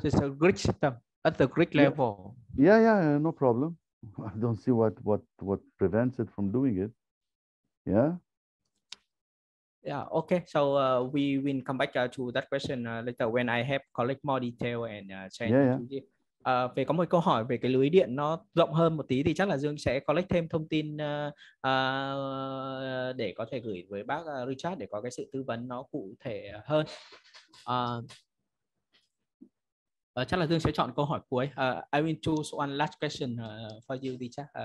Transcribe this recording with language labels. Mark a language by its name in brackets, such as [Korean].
[English] It's a grid system at the grid level. Yeah, no problem. I don't see what prevents it from doing it. Yeah. Yeah, okay. So we will come back to that question later when I have collect more detail and change. [Vietnamese] Về có một câu hỏi về cái lưới điện nó rộng hơn một tí thì chắc là Dương sẽ collect thêm thông tin để có thể gửi với bác Richard để có cái sự tư vấn nó cụ thể hơn. Chắc là Dương sẽ chọn câu hỏi cuối. [English] I will choose one last question for you, Richard.